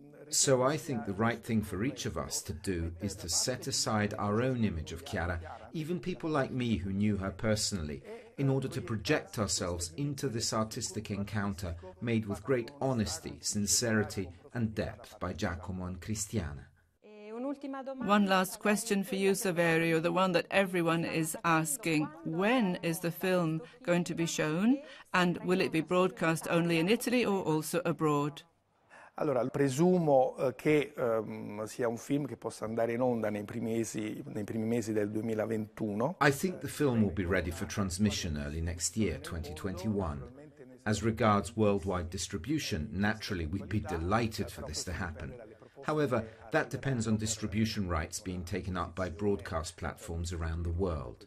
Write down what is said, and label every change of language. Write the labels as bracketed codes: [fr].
[en] So I think the right thing for each of us to do is to set aside our own image of Chiara, even people like me who knew her personally, in order to project ourselves into this artistic encounter made with great honesty, sincerity and depth by Giacomo and Cristiana. One last question for you, Saverio, the one that everyone is asking. When is the film going to be shown and will it be broadcast only in Italy or also abroad? [it] Allora, presumo che sia un film che possa andare in onda nei primi mesi del 2021. [en] I think the film will be ready for transmission early next year, 2021. As regards worldwide distribution, naturally we'd be delighted for this to happen. However, that depends on distribution rights being taken up by broadcast platforms around the world.